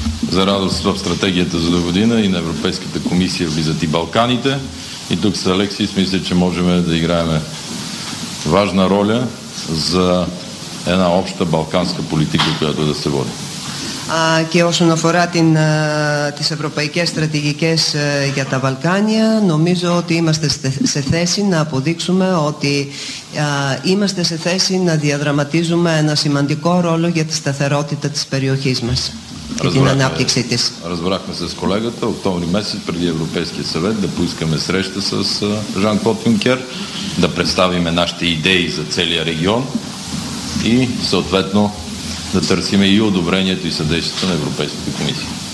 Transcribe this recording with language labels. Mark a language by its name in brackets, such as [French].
[Bulgarian] За радост в стратегията за до година и на Европейската комисия влизат и Балканите. И тук с Алексис мисля, че можем да играем важна роля за една обща балканска политика, която да се води. [Greek] Και όσον αφορά τις ευρωπαϊκές στρατηγικές για τα Βαλκάνια, νομίζω ότι είμαστε σε θέση να αποδείξουμε ότι είμαστε σε θέση να διαδραματίζουμε ένα σημαντικό ρόλο για τη σταθερότητα της περιοχής μας και την ανάπτυξή της. [Bulgarian] Разбрахме с колегата, октомври месец преди Европейския съвет, да поискаме среща с Жан-Клод Юнкер, да представим нашите идеи за целия регион и съответно да търсим и одобрението и съдействието на Европейската комисия.